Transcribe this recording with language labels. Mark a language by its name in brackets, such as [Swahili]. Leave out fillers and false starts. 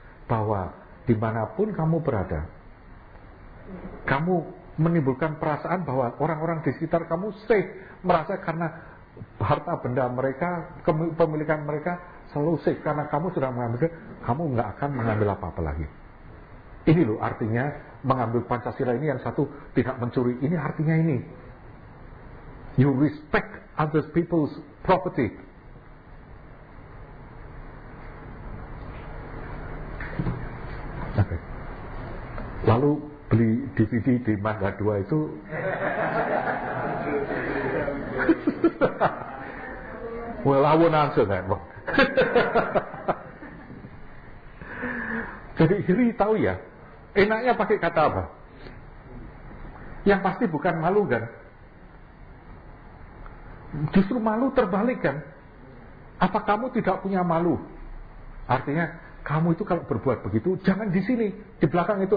[Indonesian] Bahwa dimanapun kamu berada, kamu menimbulkan perasaan bahwa orang-orang di sekitar kamu safe, merasa karena harta benda mereka, kepemilikan mereka selalu safe karena kamu sudah mengambil, kamu enggak akan mengambil apa-apa lagi. Ini loh artinya mengambil Pancasila ini, yang satu tidak mencuri. Ini artinya ini. [English] You respect other people's property. [Indonesian] Okay. Lalu beli DVD di Mangga 2 itu [English] well, I won't answer that. [Indonesian] Jadi Hiri tahu ya, enaknya pakai kata apa? Yang pasti bukan malu kan? Justru malu terbalik kan? Apa kamu tidak punya malu? Artinya kamu itu kalau berbuat begitu, jangan di sini, di belakang itu.